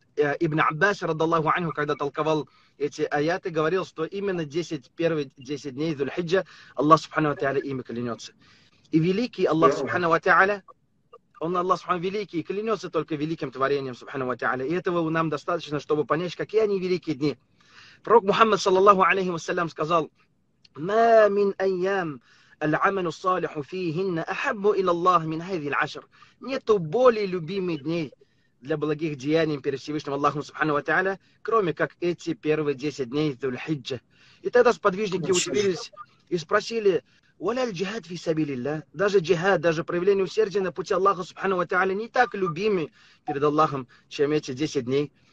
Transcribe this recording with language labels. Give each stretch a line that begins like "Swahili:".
Russian: Ибн Аббас, радиллаху анху, когда толковал эти аяты, говорил, что именно 10 дней Зульхиджа Аллах Субхану ва Та'аля ими клянется. И великий Аллах Субхану ва Та'аля, он Аллах Субхану великий и клянется только великим творением Субхану ва Та'аля. И этого нам достаточно, чтобы понять, какие они великие дни. Пророк Мухаммад, саллаллаху алейхи ва саллям, сказал,
Arabic: «Ма мин айям». العمل الصالح فيهن أحب إلى الله من هذه العشر.
Russian: Нету более любимых дней для благих деяний перед Всевышним Аллахом, субхану ва та'аля, кроме как эти первые 10 дней Зульхиджа. И тогда сподвижники удивились и спросили,
Arabic: «Валяль джихад фи сабилилля?»
Russian: Даже джихад, даже проявление усердия на пути Аллаха, субхану ва та'аля, не так любимы перед Аллахом, чем эти 10 дней.